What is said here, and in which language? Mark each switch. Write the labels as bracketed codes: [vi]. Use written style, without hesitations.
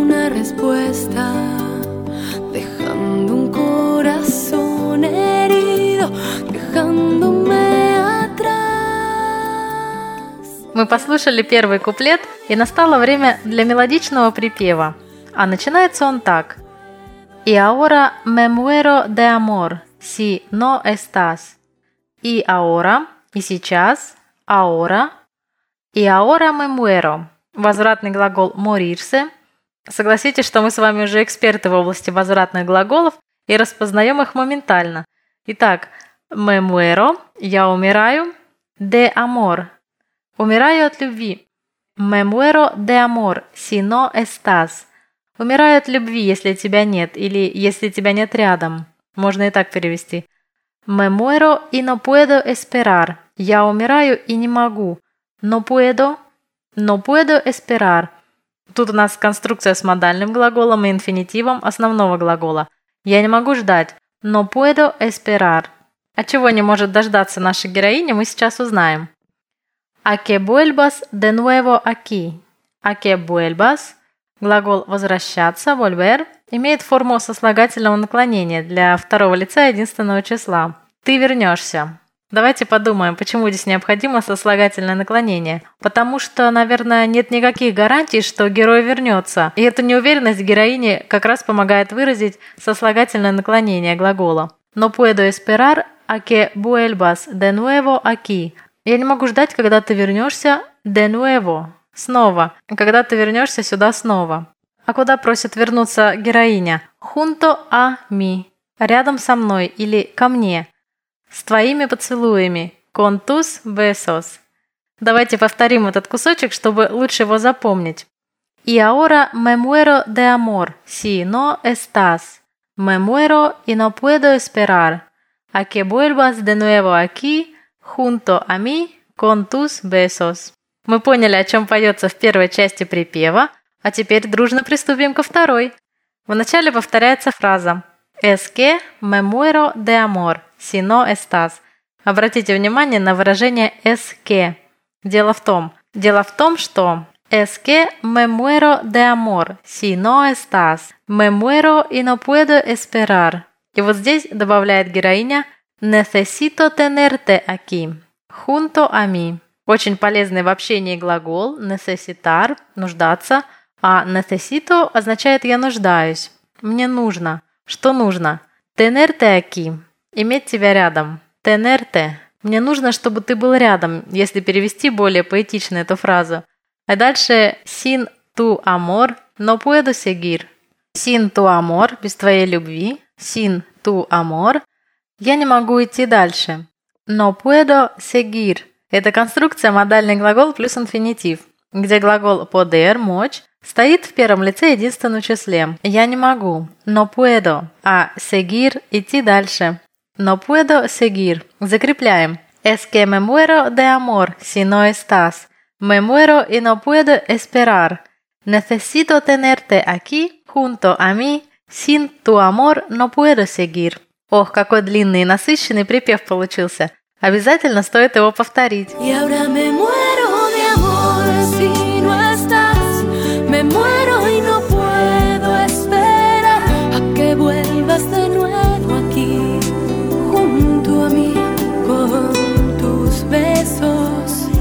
[es] Respuesta, dejando un corazón herido, dejándome atrás. [ru] Мы послушали первый куплет, и настало время для мелодичного припева. А начинается он так. Y ahora me muero de amor, si no estás. И ahora, и сейчас, ahora. [es] И ahora me muero. [ru] Возвратный глагол «morirse». Согласитесь, что мы с вами уже эксперты в области возвратных глаголов и распознаем их моментально. Итак, [es] «me muero» [ru] – «я умираю», [es] «de amor» [ru] – «умираю от любви». [es] «Me muero de amor, si no estás» [ru] – «умираю от любви, если тебя нет» или «если тебя нет рядом». Можно и так перевести. [es] «Me muero y no puedo esperar» – [ru] «я умираю и не могу». [es] «No puedo», «no puedo esperar». [ru] Тут у нас конструкция с модальным глаголом и инфинитивом основного глагола. Я не могу ждать. [es] No puedo esperar. [ru] А чего не может дождаться наша героиня, мы сейчас узнаем. [es] A que vuelvas de nuevo aquí. A que vuelvas. [ru] Глагол «возвращаться», volver, имеет форму сослагательного наклонения для второго лица единственного числа. Ты вернешься. Давайте подумаем, почему здесь необходимо сослагательное наклонение. Потому что, наверное, нет никаких гарантий, что герой вернется. И эта неуверенность героини как раз помогает выразить сослагательное наклонение глагола. Но [es] puedo esperar a que vuelvas de nuevo aquí. [ru] Я не могу ждать, когда ты вернешься [es] de nuevo. [ru] Снова. Когда ты вернешься сюда снова. А куда просит вернуться героиня? [es] Junto a mí. [ru] Рядом со мной или ко мне. С твоими поцелуями. [es] Con tus besos. [ru] Давайте повторим этот кусочек, чтобы лучше его запомнить. [es] Y ahora me muero de amor, si no estás. Me muero y no puedo esperar. A que vuelvas de nuevo aquí, junto a mí, con tus besos. [ru] Мы поняли, о чем поется в первой части припева, а теперь дружно приступим ко второй. Вначале повторяется фраза [es] «Es que me muero de amor, si no estás». [ru] Обратите внимание на выражение [es] «es que». [ru] Дело в том, что [es] «Es que me muero de amor, si no estás». «Me muero y no puedo esperar». [ru] И вот здесь добавляет героиня [es] «Necesito tenerte aquí». «Junto a mí». [ru] Очень полезный в общении глагол «necesitar» – «нуждаться», а «necesito» означает «я нуждаюсь». «Мне нужно». «Что нужно?» [es] «Tenerte aquí» [ru] – «иметь тебя рядом». «Tenerte» – «мне нужно, чтобы ты был рядом», если перевести более поэтично эту фразу. А дальше [es] «sin tu amor» – «no puedo seguir». «Sin tu amor» [ru] – «без твоей любви». «Sin tu amor» – «я не могу идти дальше». [es] «No puedo seguir». [ru] Это конструкция модальный глагол плюс инфинитив, где глагол poder, мочь, стоит в первом лице единственном числе. Я не могу. [es] No puedo. [ru] А seguir – идти дальше. [es] No puedo seguir. [ru] Закрепляем. [es] Es que me muero de amor, si no estás. Me muero y no puedo esperar. Necesito tenerte aquí, junto a mí. Sin tu amor no puedo seguir. [ru] Ох, какой длинный и насыщенный припев получился. Обязательно стоит его повторить. [es] Y ahora me muero de amor si no estás. Me muero y no puedo esperar a que vuelvas de nuevo aquí junto a mí con tus besos.